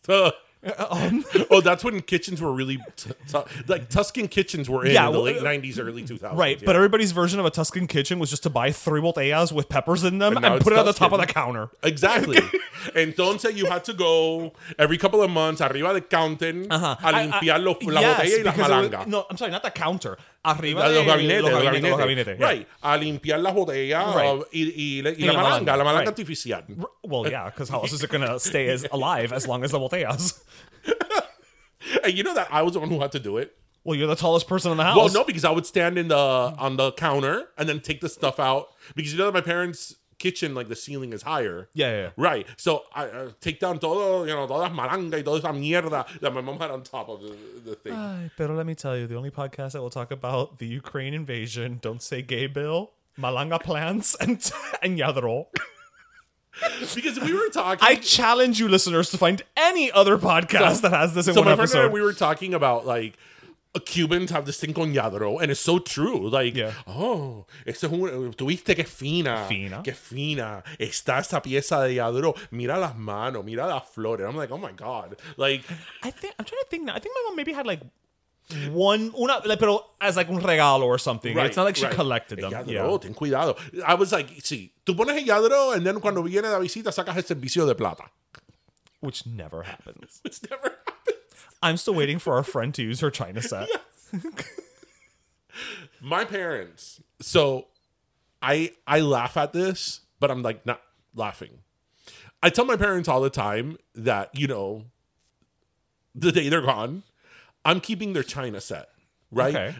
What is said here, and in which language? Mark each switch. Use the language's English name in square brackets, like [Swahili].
[English] Oh, that's when kitchens were really Tuscan kitchens were in the late 90s, early 2000s. Right, yeah. But everybody's version of a Tuscan kitchen was just to buy 3 volteas with peppers in them and put it Tuscan. On the top of the counter. Exactly. [Spanish] Entonces [English] you had to go every couple of months [Spanish] arriba de [English] counter [Spanish] a limpiar la botella y la malanga. [English] No, I'm sorry, not the counter. [Spanish] Arriba de los gabinetes. [English] Right, [Spanish] a limpiar la botella y la malanga. La malanga artificial. [English] Well, yeah, because how else is it going to stay alive as long as the botellas? And you know that I was the one who had to do it. Well, you're the tallest person in the house. Well, no, because I would stand on the counter and then take the stuff out. Because you know that my parents' kitchen, like, the ceiling is higher. Yeah. Right. So I take down [Spanish] todo, [English] you know, [Spanish] todas malanga y toda esa mierda [English] that my mom had on top of the thing. Pero let me tell you, the only podcast that will talk about the Ukraine invasion, Don't Say Gay Bill, Malanga Plants, and Yadro. Because we were talking... I challenge you listeners to find any other podcast that has this in one episode. So my friend and I, we were talking about, like, Cubans have this thing [Spanish] con lladro, [English] and it's so true. Like, yeah. Oh, [Spanish] tuviste que fina. Fina. Que fina. Está esa pieza de lladro. Mira las manos. Mira las flores. [English] I'm like, oh my God. Like... I'm trying to think now. I think my mom maybe had, like, [Spanish] un regalo [English] or something. Right, it's not like she collected them. [Spanish] Lladro, ten cuidado. [English] I was like, [Spanish] sí, tú pones el lladro [English] and then [Spanish] cuando viene la visita sacas el servicio de plata. [English] Which never happens. Which never happens. I'm still waiting for our friend to use her china set. My parents. So I laugh at this, but I'm like not laughing. I tell my parents all the time that, you know, the day they're gone, I'm keeping their china set, right? Okay.